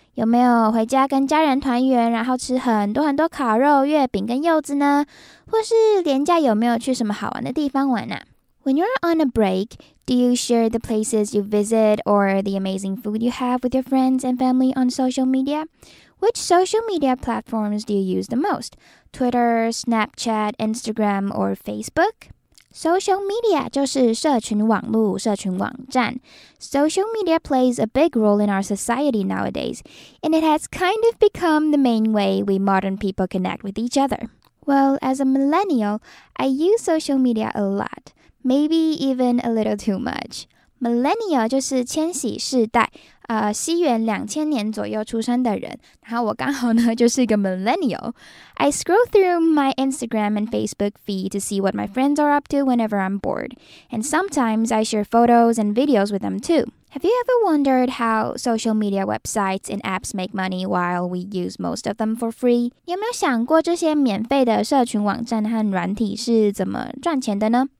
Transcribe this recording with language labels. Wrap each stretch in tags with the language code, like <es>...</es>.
<zh>有没有回家跟家人团圆，然后吃很多很多烤肉、月饼跟柚子呢？或是连假有没有去什么好玩的地方玩啊？</zh> <en>When you're on a break, do you share the places you visit or the amazing food you have with your friends and family on social media? Which social media platforms do you use the most? Twitter, Snapchat, Instagram, or Facebook?</en> <zh>Social media 就是社群网络、社群网站。</zh> <en>Social media plays a big role in our society nowadays, and it has kind of become the main way we modern people connect with each other. Well, as a millennial, I use social media a lot. Maybe even a little too much.</en> <zh>Millennial 就是千禧世代，西元2000年左右出生的人。然后我刚好呢就是一个 millennial.</zh> <en>I scroll through my Instagram and Facebook feed to see what my friends are up to whenever I'm bored. And sometimes I share photos and videos with them too. Have you ever wondered how social media websites and apps make money while we use most of them for free?</en> <zh>你有没有想过这些免费的社群网站和软体是怎么赚钱的呢？</zh>